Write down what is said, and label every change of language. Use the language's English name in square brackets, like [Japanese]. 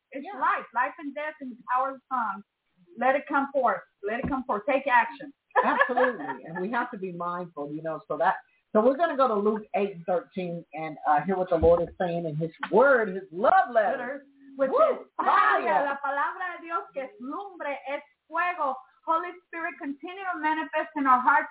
[English] It's yeah. life. Life and death and the power of the tongue. Let it come forth. Take action. Absolutely. And we have to be mindful, you know, so that, so we're going to go to Luke 8:13 and hear what the Lord is saying in his word, his love letter, which is fire. [Spanish] La palabra de Dios que es lumbre, es fuego. [English] Holy Spirit, continue to manifest in our hearts.